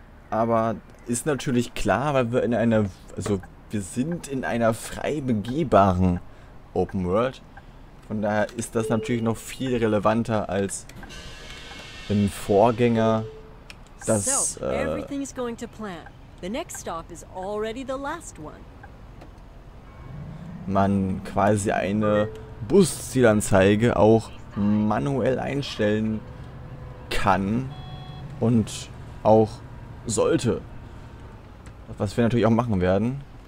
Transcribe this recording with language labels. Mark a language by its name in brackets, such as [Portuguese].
[German] Aber ist natürlich klar, weil wir in einer, also wir sind in einer frei begehbaren Open World. Von daher ist das natürlich noch viel relevanter als im Vorgänger. [English] Everything is going to plan. The next stop is already the last one. [German] Man quasi eine Buszielanzeige auch manuell einstellen kann und auch sollte. Was wir natürlich auch machen werden.